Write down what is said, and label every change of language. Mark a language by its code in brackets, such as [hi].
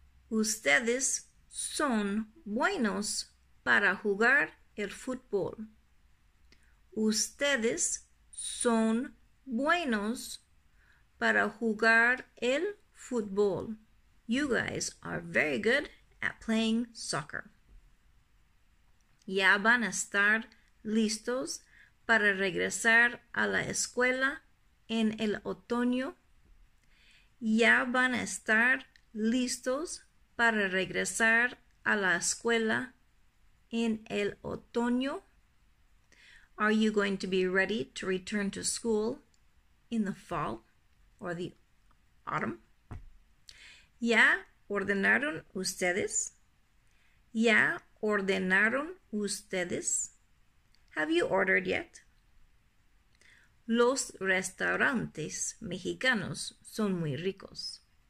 [es] Ustedes son buenos para jugar el fútbol. Ustedes son buenos para jugar el fútbol. [en] You guys are very good at playing soccer. [es] Ya van a estar listos para regresar a la escuela en el otoño. Ya van a estar listos para regresar a la escuela en el otoño. [en] Are you going to be ready to return to school in the fall or the autumn? [es] Ya ordenaron ustedes. Ya ordenaron ustedes. [en] Have you ordered yet? [es] Los restaurantes mexicanos son muy ricos.